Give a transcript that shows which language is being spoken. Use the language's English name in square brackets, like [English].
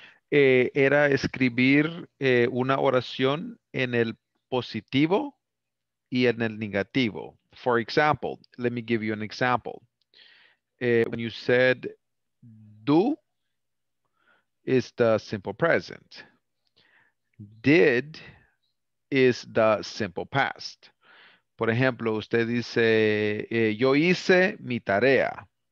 [Spanish] Era escribir una oración en el positivo y en el negativo. [English] For example, let me give you an example. When you said do is the simple present. Did is the simple past. [Spanish] Por ejemplo, usted dice yo hice mi tarea.